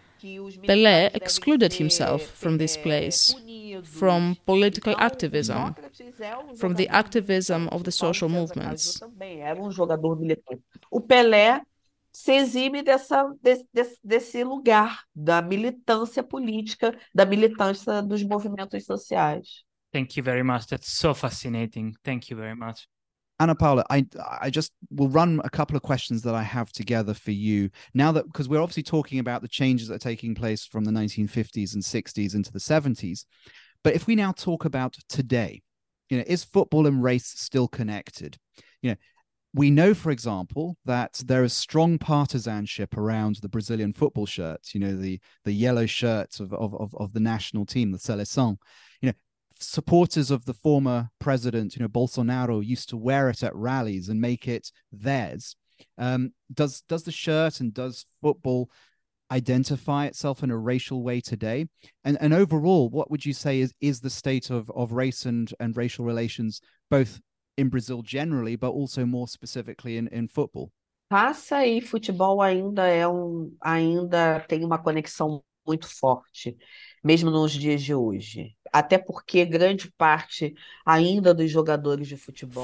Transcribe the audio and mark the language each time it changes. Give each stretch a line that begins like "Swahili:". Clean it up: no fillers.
English: Pele excluded himself from this place, from political activism, from the activism of the social movements.
Portuguese: Pele se exime desse lugar da militância política, da militância dos movimentos sociais.
English: Thank you very much. That's so fascinating. Thank you very much. Ana Paula, I just will run a couple of questions that I have together for you now, that because we're obviously talking about the changes that are taking place from the 1950s and 60s into the 70s. But if we now talk about today, you know, is football and race still connected? You know, we know, for example, that there is strong partisanship around the Brazilian football shirts, you know, the yellow shirts of the national team, the Seleção. You know, supporters of the former president, you know, Bolsonaro, used to wear it at rallies and make it theirs. Does the shirt and does football identify itself in a racial way today? And overall, what would you say is the state of race and racial relations, both in Brazil generally, but also more specifically in football?
Portuguese: Passa e futebol ainda tem uma conexão muito forte, mesmo nos dias de hoje. Até porque grande parte ainda dos jogadores de futebol.